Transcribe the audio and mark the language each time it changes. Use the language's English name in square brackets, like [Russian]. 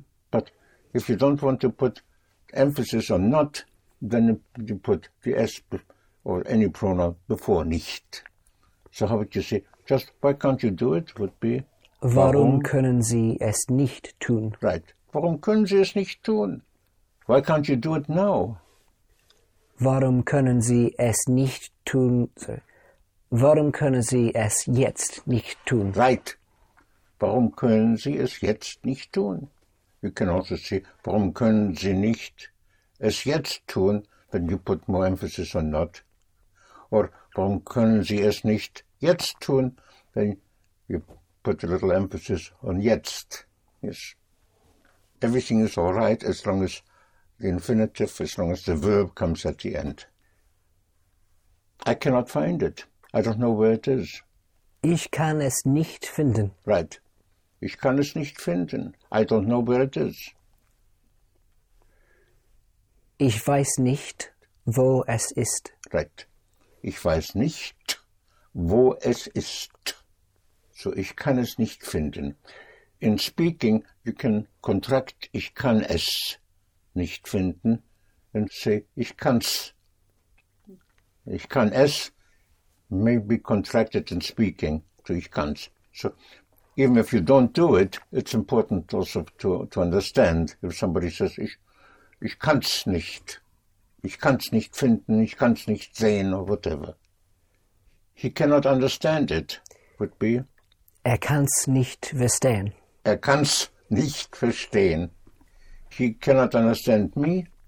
[English] But if you don't want to put emphasis on not, then you put the es or any pronoun before nicht. So how would you say, just why can't you do it, would be, [German] warum können Sie es nicht tun? [English] Right. [German] Warum können Sie es nicht tun? [English] Why can't you do it now? [German] Warum können Sie es nicht tun? Warum können Sie es jetzt nicht tun? [English] Right. [German] Warum können Sie es jetzt nicht tun? [English] You can also say, [German] warum können Sie nicht es jetzt tun? [English] Then you put more emphasis on not. [German] Or, warum können Sie es nicht jetzt tun? [English] Then you put a little emphasis on jetzt. Yes. Everything is all right as long as the infinitive, as long as the verb comes at the end. I cannot find it. I don't know where it is. [German] Ich kann es nicht finden. [English] Right. [German] Ich kann es nicht finden. [English] I don't know where it is. [German] Ich weiß nicht, wo es ist. Right. Ich weiß nicht, wo es ist. So, ich kann es nicht finden. [English] In speaking, you can contract, [German] ich kann es nicht finden, [English] and say, [German] ich kann's. [English] Ich kann es may be contracted in speaking to ich kann's. So, even if you don't do it, it's important also to understand if somebody says, [German] ich kann's nicht. Ich kann's nicht finden, ich kann's nicht sehen, [English] or whatever. He cannot understand it, would be? [German] Er kann's nicht verstehen. Er kann's nicht verstehen. [English] He cannot understand me.